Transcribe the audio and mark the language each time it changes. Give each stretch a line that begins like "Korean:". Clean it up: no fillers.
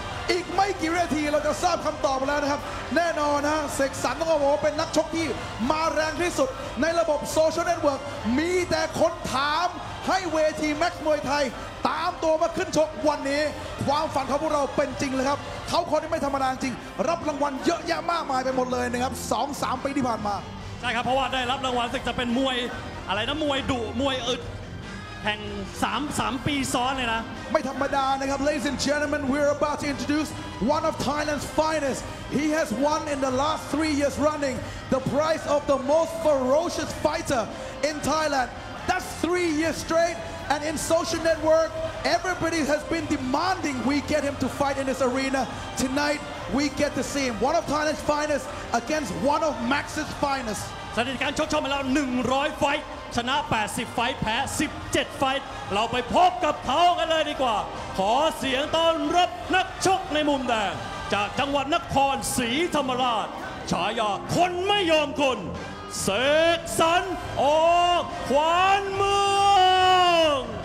Thai: อีกไม่กี่นาทีเราจะทราบคำตอบแล้วนะครับแน่นอนนะเสกสรรต้องบอกว่าเป็นนักชกที่มาแรงที่สุดในระบบโซเชียลเน็ตเวิร์กมีแต่คนถามให้เวทีแม็กซ์มวยไทยตามตัวมาขึ้นชกวันนี้ความฝันของพวกเราเป็นจริงเลยครับเขาคนที่ไม่ธรรมดาจริงรับรางวัลเยอะแยะมากมายไปหมดเลยนะครับ2-3ปีที่ผ่านมา ใช่ครับเพราะว่าได้รับรางวัลจะเป็นมวยอะไรนะมวยดุมวยอึดแห่ง3ปีซ้อนเลยนะ ไม่ธรรมดานะครับ
English: Ladies and gentlemen we're about to introduce one of Thailand's finest he has won in the last 3 years running the prize of the most ferocious fighter in Thailand that's 3 years straight and in social network everybody has been demanding we get him to fight in this arena tonight we get to see him one of Thailand's finest against one of Max's finest
Thai: สถิติการชกชกมาแล้ว100ไฟต์ชนะ80ไฟต์แพ้17ไฟต์เราไปพบกับเขากันเลยดีกว่าขอเสียงต้อนรับนักชกในมุมแดงจากจังหวัดนครศรีธรรมราชฉายาคนไม่ยอมคนเสกสรรออกขวานเมือง